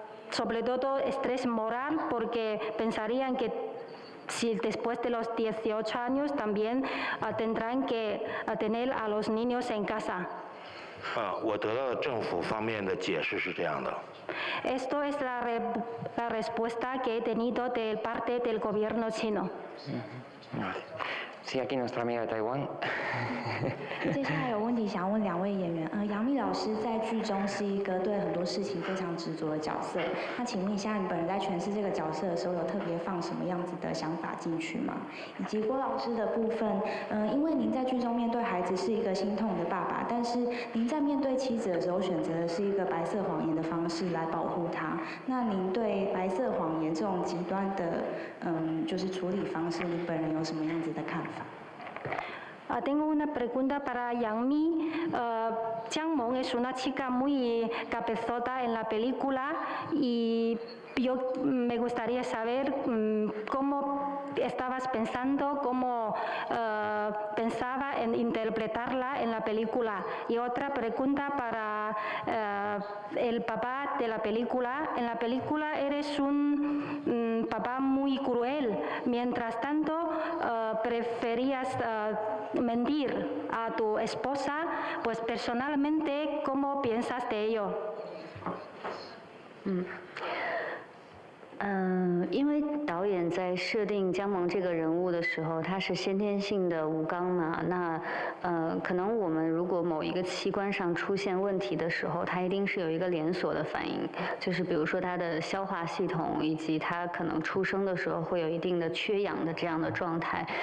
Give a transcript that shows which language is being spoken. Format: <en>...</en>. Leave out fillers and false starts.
<es>sobre todo estrés moral, porque pensarían que si después de los 18 años también tendrán que tener a los niños en casa.</es> <zh>我得到的政府方面的解释是这样的。</zh> <es>Esto es la respuesta que he tenido de parte del gobierno chino. Sí, aquí nuestra amiga de Taiwán.</es> <zh>接下来有问题想问两位演员。杨幂老师在剧中是一个对很多事情非常执着的角色。那请问一下，你本人在诠释这个角色的时候，有特别放什么样子的想法进去吗？以及郭老师的部分，因为您在剧中面对孩子是一个心痛的爸爸，但是您在面对妻子的时候，选择的是一个白色谎言的方式来保护她。那您对白色谎言这种极端的，就是处理方式，你本人有什么样子的看法？</zh> <es>Tengo una pregunta para Yangmi. Jiang Meng es una chica muy cabezota en la película y yo me gustaría saber cómo estabas pensando, cómo pensaba en interpretarla en la película. Y otra pregunta para el papá de la película. En la película eres un papá muy cruel. Mientras tanto, preferías mentir a tu esposa. Pues personalmente, ¿cómo piensas de ello? Mm.</es> <zh>因为导演在设定姜萌这个人物的时候，他是先天性的无肛嘛，那可能我们如果某一个器官上出现问题的时候，他一定是有一个连锁的反应，就是比如说他的消化系统以及他可能出生的时候会有一定的缺氧的这样的状态。</zh>